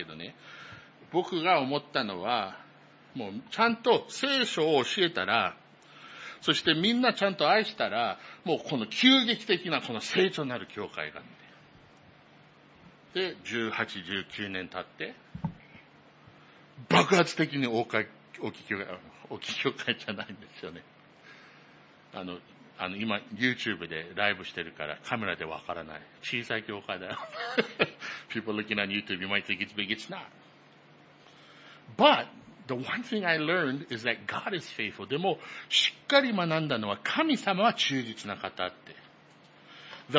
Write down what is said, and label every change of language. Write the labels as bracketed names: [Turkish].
[Japanese] で、まあ本当にあまりにもこの、あの、まあ単純な考え方と思うけどね、僕が思ったのは、 もうちゃんと聖書を教えたら、そしてみんなちゃんと愛したら、もうこの急激的なこの成長になる教会があって。で、18、19年経って、爆発的に大きい教会じゃないんですよね。あの、今YouTubeでライブしてるからカメラでわからない。小さい教会だよ。 [English] People looking on YouTube, you might think it's big, it's not. But, the one thing I learned is that God is faithful. [Japanese] でも、しっかり学んだのは神様は忠実な方って。 [English] The